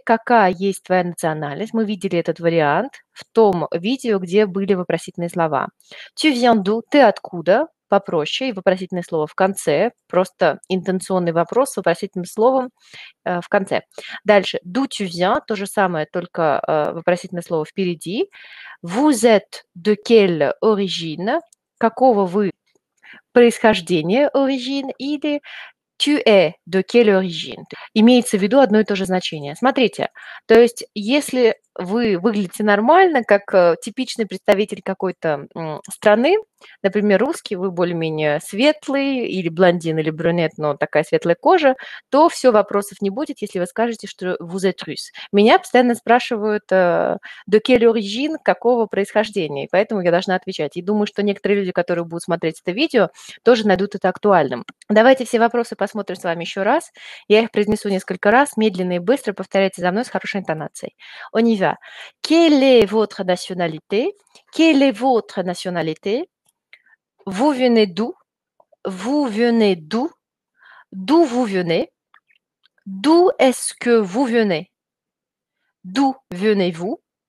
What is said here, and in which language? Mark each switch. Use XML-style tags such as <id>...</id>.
<ru>Какая есть твоя национальность? Мы видели этот вариант в том видео, где были вопросительные слова.</ru> <fr>Tu viens d'où? Ты откуда?</fr> <ru>Попроще. И вопросительное слово в конце. Просто интенционный вопрос с вопросительным словом в конце.</ru> <fr>Дальше. D'où tu viens?</fr> <ru>То же самое, только вопросительное слово впереди.</ru> <fr>Vous êtes de quelle origine?</fr> <ru>Какого вы происхождения origine?</ru> <fr>Или... Tu es de quelle origine?</fr> <ru>Имеется в виду одно и то же значение. Смотрите, то есть если вы выглядите нормально, как типичный представитель какой-то страны, например, русский, вы более-менее светлый, или блондин, или брюнет, но такая светлая кожа, то все, вопросов не будет, если вы скажете, что vous êtes russe. Меня постоянно спрашивают de quelle origine, какого происхождения, и поэтому я должна отвечать. И думаю, что некоторые люди, которые будут смотреть это видео, тоже найдут это актуальным. Давайте все вопросы посмотрим с вами еще раз. Я их произнесу несколько раз, медленно и быстро, повторяйте за мной с хорошей интонацией.</ru> <fr>On y va. Quelle est votre nationalité? Quelle est votre nationalité? Vous venez d'où? Vous venez d'où? D'où vous venez? D'où est-ce que vous venez? D'où venez-vous?</fr>